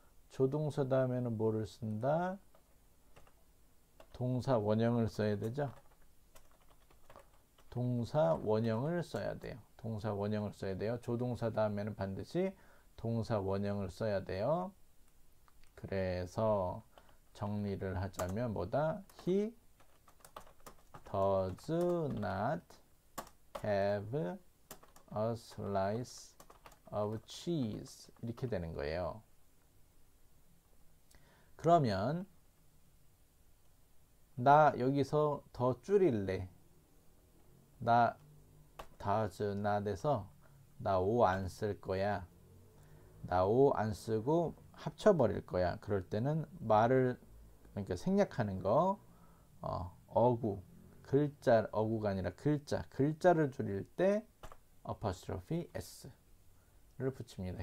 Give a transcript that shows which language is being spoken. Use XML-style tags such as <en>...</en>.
<ko>조동사 다음에는 뭐를 쓴다? 동사 원형을 써야 되죠. 동사 원형을 써야 돼요. 동사 원형을 써야 돼요. 조동사 다음에는 반드시 동사 원형을 써야 돼요. 그래서 정리를 하자면 뭐다?</ko> <en>He does not have a slice of cheese.</en> <ko>이렇게 되는 거예요. 그러면 나 여기서 더 줄일래. 나 does not에서 나 o 안쓸 거야. 나 o 안 쓰고 합쳐 버릴 거야. 그럴 때는 말을 그러니까 생략하는 거, 어구, 글자 어구가 아니라 글자, 글자를 줄일 때 apostrophe s를 붙입니다.</ko>